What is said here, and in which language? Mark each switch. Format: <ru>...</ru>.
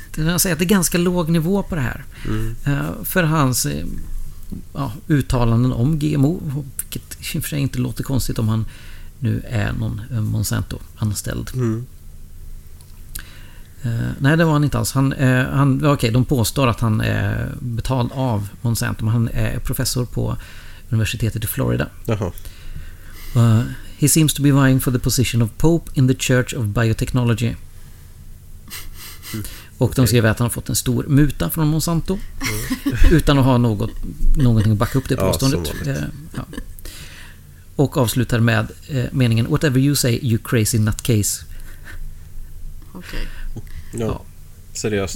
<sv>Det vill säga att det är ganska låg nivå på det här. För hans uttalanden om GMO, vilket i och för sig inte låter konstigt om han nu är någon Monsanto-anställd. Nej, det var han inte alls. De påstår att han är betald av Monsanto, men han är professor på universitetet i Florida.</sv> <en>He seems to be vying for the position of Pope in the Church of Biotechnology.</en> <sv>Och de skriver att han har fått en stor muta från Monsanto utan att ha någonting att backa upp det påståendet. Och avslutar med meningen:</sv> <en>"Whatever you say, you crazy nutcase."</en> <sv>Okej. Ja. Seriöst.</sv>